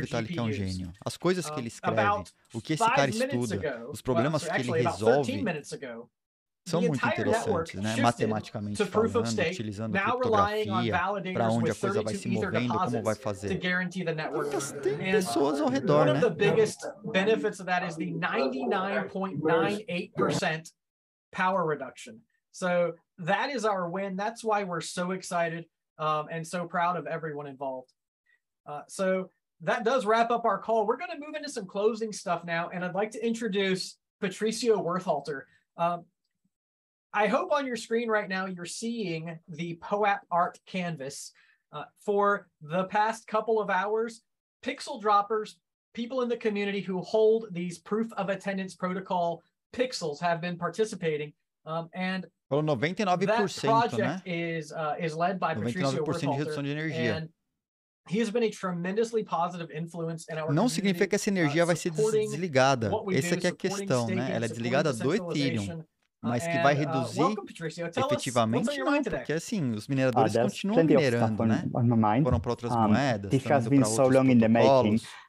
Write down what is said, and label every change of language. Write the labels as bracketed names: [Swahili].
[Portuguese] Vitaly que é um gênio. As coisas que ele escreve, o que esse cara estuda, os problemas que ele resolve... São muito interessantes, né? Matematicamente falando, utilizando criptografia, para onde a coisa vai se movendo, como vai fazer. Mas tem pessoas ao redor, né? [English] One of the biggest benefits of that is the 99.98% power reduction. So that is our win. That's why we're so excited and so proud of everyone involved. So that does wrap up our call. We're going to move into some closing stuff now, and I'd like to introduce Patricio Werthalter. I hope on your screen right now you're seeing the POAP art canvas. For the past couple of hours, pixel droppers, people in the community who hold these proof of attendance protocol pixels have been participating. And 99%, that project, [Portuguese] né? [English] is led by 99% Patricio Werthalter. And he has been a tremendously positive influence in our community. [Portuguese] Não significa que essa energia vai ser desligada. Essa aqui é a questão, né? Ela é desligada do Ethereum. Mas que vai reduzir efetivamente, não, porque assim, os mineradores continuam minerando, né? Foram para outras moedas, estão indo para outros protocolos.